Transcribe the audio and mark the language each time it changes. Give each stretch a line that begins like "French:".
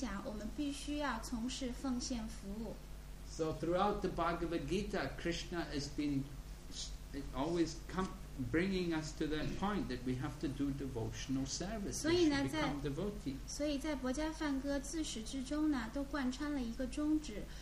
Chinese: 那么这个结论是非常清晰的，就是如果我们要超越这些物质自然形态的影响，我们必须要从事奉献服务。
English: So throughout the Bhagavad Gita, Krishna has been always bringing us to that point that we have to do devotional service.
Chinese: 所以呢，在博迦梵歌自始至终呢，都贯穿了一个宗旨。